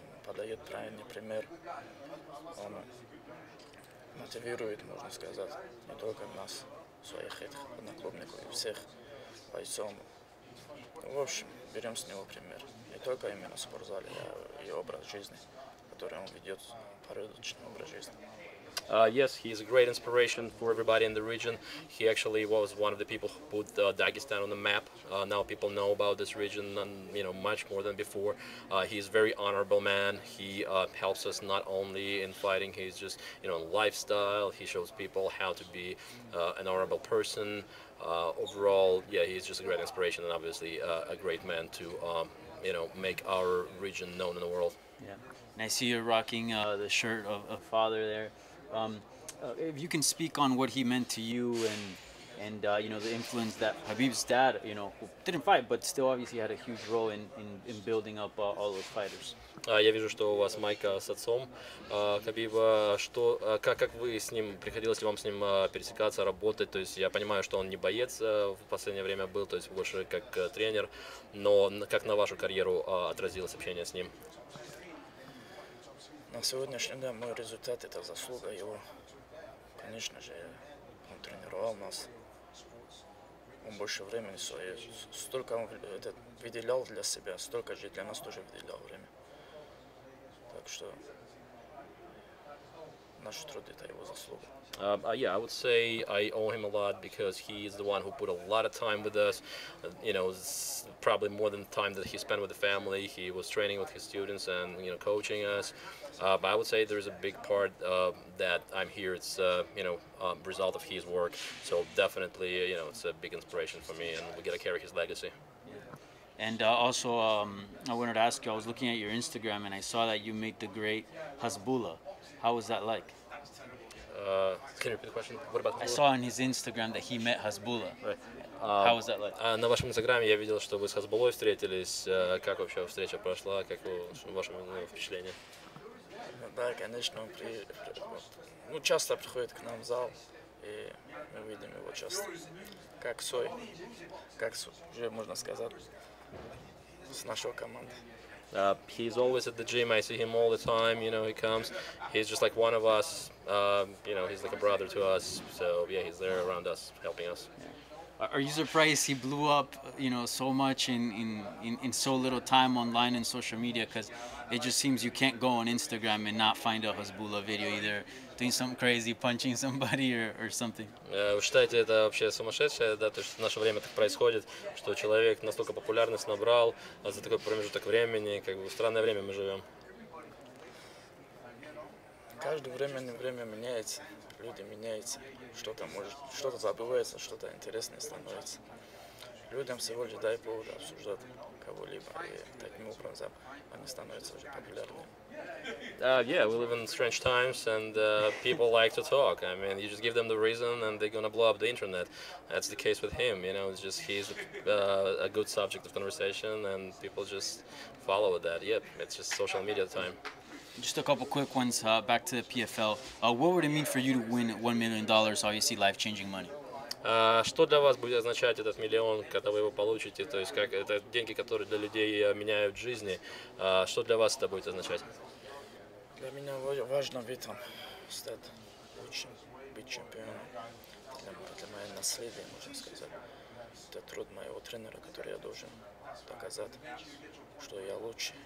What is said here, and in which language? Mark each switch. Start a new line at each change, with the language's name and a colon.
Russian: подает правильный пример. Он мотивирует, можно сказать, не только нас, своих этих одноклубников, и всех бойцов. В общем, берем с него пример. Не только именно в спортзале, а и образ жизни, который он ведет, порядочный образ жизни.
English: Yes, he is a great inspiration for everybody in the region. He actually was one of the people who put Dagestan on the map. Now people know about this region, and, you know, much more than before. He is a very honorable man. He helps us not only in fighting. He's just, you know, lifestyle. He shows people how to be an honorable person. Overall, yeah, he's just a great inspiration and obviously a great man to, you know, make our region known in the world. Yeah, and I see you're rocking the shirt of a father there. If you can speak on what he meant to you and you know, the influence that Habib's dad, you know, who didn't fight but still obviously had a huge role in building up all those fighters.
Russian: Я вижу, что у вас майка с отцом Хабиба. Что, как вы с ним, приходилось ли вам с ним пересекаться, работать? То есть я понимаю, что он не боец в последнее время был, то есть больше как тренер, но как на вашу карьеру отразилось общение с ним? На сегодняшний день мой результат – это заслуга его. Конечно же, он тренировал нас. Он больше времени своей, столько он это выделял для себя, столько же для нас тоже выделял время. Так что наш труд – это его заслуга.
English: Yeah, I would say I owe him a lot because he is the one who put a lot of time with us, you know, probably more than the time that he spent with the family. He was training with his students and, you know, coaching us. But I would say there is a big part that I'm here. It's, you know, a result of his work. So definitely, you know, it's a big inspiration for me and we got to carry his legacy. And also, I wanted to ask you, I was looking at your Instagram and I saw that you made the great Hasbulla. How was that like? Can you repeat the question? What about Hasbulla? I saw on his Instagram that he met Hasbulla. Right. How was that like?
Russian: На вашем Инстаграме я видел, что вы с Хасбуллой встретились. Как вообще встреча прошла? Как ваше впечатление? Да, конечно, он ну, часто приходит к нам в зал, и мы видим его часто. Как свой, как уже можно сказать, с нашей команды.
English: He's always at the gym. I see him all the time. You know, he comes. He's just like one of us. You know, he's like a brother to us. So yeah, he's there around us, helping us. Are you surprised he blew up, you know, so much in so little time online and social media? Because it just seems you can't go on Instagram and not find a Hasbulla video, either doing something crazy, punching somebody or something.
Russian: Вы считаете, это вообще сумасшедшее, да, то, что в наше время так происходит, что человек настолько популярность набрал за такой промежуток времени, как бы странное время мы живем. Каждое время меняется. Люди меняются, что-то может, что-то забывается, что-то интересное становится. Людям всего лишь дай повод обсуждать кого-либо, и таким образом они становятся уже популярными.
English: Yeah, we live in strange times, and people like to talk. I mean, you just give them the reason, and they're gonna blow up the internet. That's the case with him. You know, it's just he's a good subject of conversation, and people just follow that. Yep, it's just social media time. Just a couple quick ones back to the PFL. What would it mean for you to win $1 million, obviously life-changing money?
Russian: Что для вас будет означать этот миллион, когда вы его получите? То есть как это деньги, которые для людей меняют жизни. Что для вас это будет означать? Для меня важно стать лучшим, быть чемпионом. Для моего наследия, можно сказать. Это труд моего тренера, который я должен показать, что я лучше.